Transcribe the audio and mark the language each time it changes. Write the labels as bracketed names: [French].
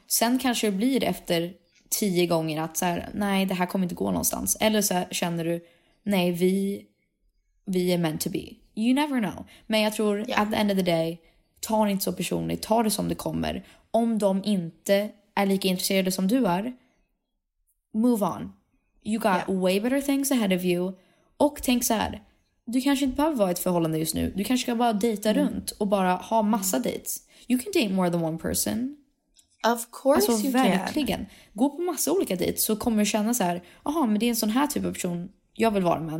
[Swedish] Sen kanske det blir efter 10 gånger att så här, nej, det här kommer inte gå någonstans. Eller så här, känner du, nej, vi är [English] meant to be. You never know. [Swedish] Men jag tror, [English] at the end of the day, [Swedish] ta det inte så personligt, ta det som det kommer. Om de inte är lika intresserade som du är, [English] move on. You got way better things ahead of you. [Swedish] Och tänk så här, du kanske inte behöver vara ett förhållande just nu. Du kanske ska bara dejta runt och bara ha massa dates. [English] You can date more than one person. Of course you [Swedish] verkligen. [English] Can. [Swedish] Verkligen. Gå på massa olika dates så kommer du känna så här, aha, men det är en sån här typ av person jag vill vara med.